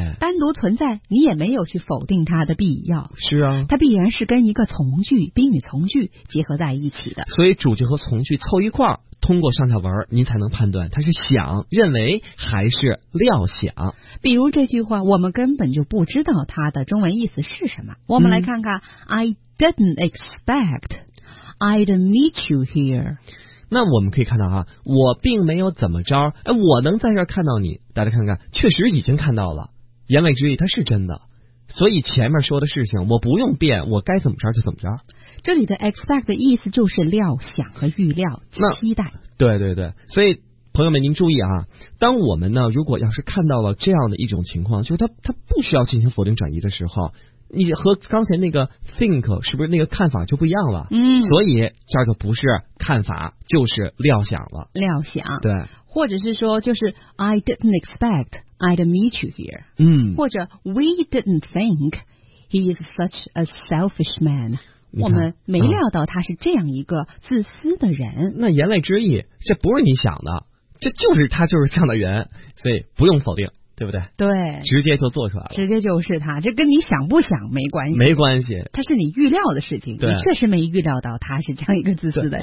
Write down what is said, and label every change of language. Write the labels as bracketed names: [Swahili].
[Chinese] 单独存在，你也没有去否定它的必要。是啊，它必然是跟一个从句、宾语从句结合在一起的。所以主句和从句凑一块儿，通过上下文，您才能判断它是想、认为还是料想。比如这句话，我们根本就不知道它的中文意思是什么。我们来看看、嗯、 [English] I didn't expect I'd meet you here。 [Chinese] 那我们可以看到啊，我并没有怎么着，哎，我能在这儿看到你，大家看看，确实已经看到了，言外之意它是真的，所以前面说的事情我不用变，我该怎么着就怎么着。这里的 expect 的意思就是料想和预料，期待。对对对，所以朋友们您注意啊，当我们呢如果要是看到了这样的一种情况，就是它不需要进行否定转移的时候，你和刚才那个 think 是不是那个看法就不一样了？嗯，所以这个不是看法，就是料想了。料想，对，或者是说就是 [English] I didn't expect I'd meet you here。 [Chinese] 嗯， [English] 或者 We didn't think he is such a selfish man。 [Chinese] 我们没料到他是这样一个自私的人。那言外之意，这不是你想的，这就是他就是这样的人，所以不用否定。对不对？对，直接就做出来了，直接就是他，这跟你想不想没关系，没关系，他是你预料的事情，你确实没预料到他是这样一个自私的人。